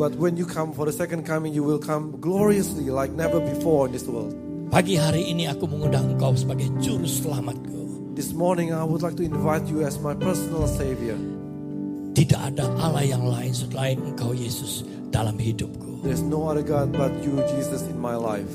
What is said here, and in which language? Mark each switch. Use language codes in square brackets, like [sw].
[en] But when you come for the second coming, you will come gloriously like never before in this world. [id] Pagi hari ini aku mengundang Engkau sebagai juru selamatku. [en] This morning I would like to invite you as my personal savior. [id] Tidak ada Allah yang lain selain Engkau, Yesus, dalam hidupku. [en] There's no other God but you, Jesus, in my life.